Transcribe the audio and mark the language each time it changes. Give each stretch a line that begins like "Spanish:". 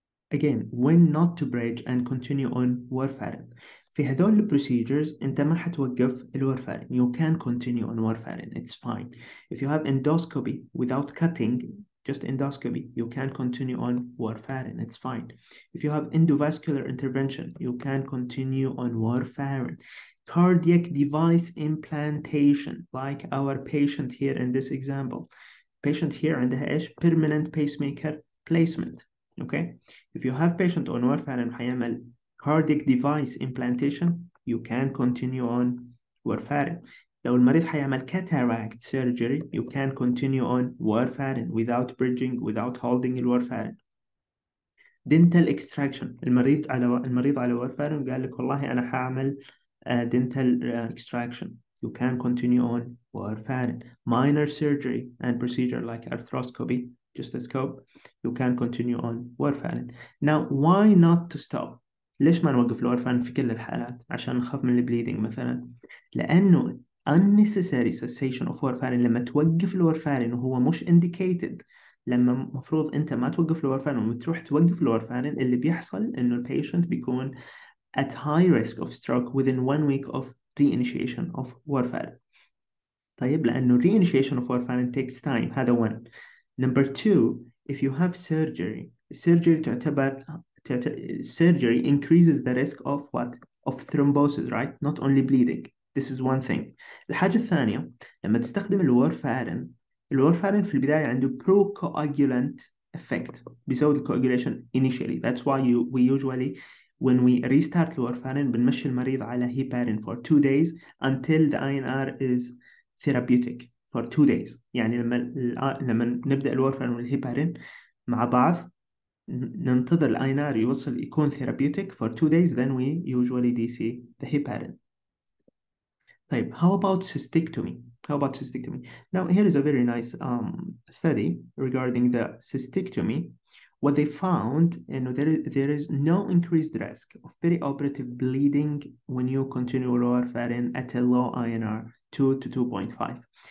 English: again, when not to bridge and continue on warfarin.
Arabic: في هذول البروسيجرز انت ما حتوقف الوارفارين.
English: You can continue on warfarin. It's fine. If you have endoscopy without cutting, just endoscopy, you can continue on warfarin. It's fine. If you have endovascular intervention, you can continue on warfarin. Cardiac device implantation, like our patient here in this example. Patient here
Arabic: عندها ايش؟
English: Permanent pacemaker placement. Okay? If you have patient on warfarin
Arabic: حيعمل
English: cardiac device implantation, you can continue on warfarin.
Arabic: لو المريض حيعمل
English: cataract surgery, you can continue on warfarin without bridging, without holding الوارفارين. Dental extraction.
Arabic: المريض على warfarin قال لك والله أنا حعمل dental extraction.
English: You can continue on warfarin. Minor surgery and procedure like arthroscopy, just a scope, you can continue on warfarin. Now, why not to stop?
Arabic: ليش ما نوقف الوارفارين في كل الحالات؟ عشان نخاف من البليدنج مثلا؟ لأنه
English: unnecessary cessation of warfarin
Arabic: لما توقف الوارفارين وهو مش indicated. لما مفروض أنت ما توقف الوارفارين ومتروح توقف الوارفارين اللي بيحصل أنه البيشنت بيكون
English: at high risk of stroke within one week of reinitiation of warfarin.
Arabic: طيب لأنه
English: reinitiation of warfarin takes time.
Arabic: هذا
English: one. Number two, if you have surgery, surgery
Arabic: تعتبر
English: surgery increases the risk of what? Of thrombosis, right? Not only bleeding. This is one thing.
Arabic: الحاجة الثانية, لما تستخدم الوارفارين, الوارفارين في البداية عنده
English: pro-coagulant effect.
Arabic: بيزود الكواجوليشن initially.
English: That's why we usually, when we restart الوارفارين,
Arabic: بنمشي المريض على
English: heparin for 2 days until the INR is therapeutic for 2 days.
Arabic: يعني لما نبدأ الوارفارين والهيبارين مع بعض, ننتظر الاينار يوصل يكون
English: therapeutic for 2 days, then we usually DC the heparin. طيب, how about cystectomy? How about cystectomy? Now, here is a very nice study regarding the cystectomy. What they found, you know, there is no increased risk of perioperative bleeding when you continue warfarin at a low INR, 2 to 2.5.